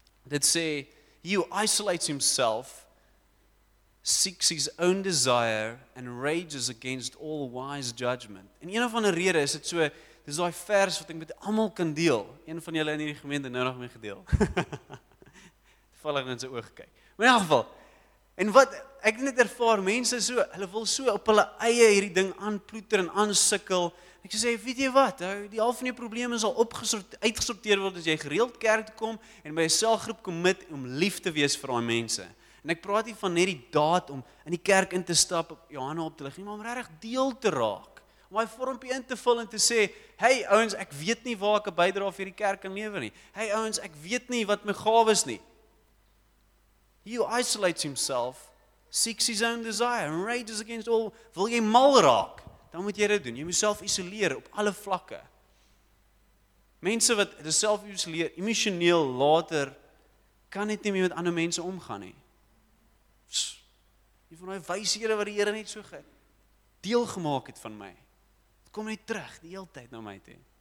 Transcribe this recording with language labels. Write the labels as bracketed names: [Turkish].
[Afrikaans] Dit sê, [English] he who isolates himself seeks his own desire and rages against all wise judgment. [Afrikaans] En een van die redes is dit so, dis daai vers wat ek met almal kan deel. Een van julle in hierdie gemeente nou nog mee gedeel. Toevallig in sy oog kyk. Maar in elk geval, en wat ek net ervaar, mense so, hulle wil so op hulle eie hierdie ding aanploeter en aansukkel. Ek sê, weet jy wat, die half van jou probleme sal uitgesorteer word as jy gereeld kerk toe kom en by 'n selgroep commit om lief te wees vir daai mense. En ek praat nie van net die daad om in die kerk in te stap, Johanna op te lig nie, maar om regtig deel te raak. Om daai vormpie in te vul en te sê, hey ouens, ek weet nie waar ek 'n bydrae vir hierdie kerk kan lewer nie. Hey ouens, ek weet nie wat my gawes nie. [English] He who isolates himself seeks his own desire and rages against all. [Afrikaans] Wil jy mal raak, dan moet jy dit doen. Jy moet self isoleer op alle vlakke. Mense wat self isoleer, emosioneel later, kan net nie meer met ander mense omgaan nie. Jy van die wyshede wat die Here net so deel gemaak het van my. Kom net terug, die hele tyd na my toe.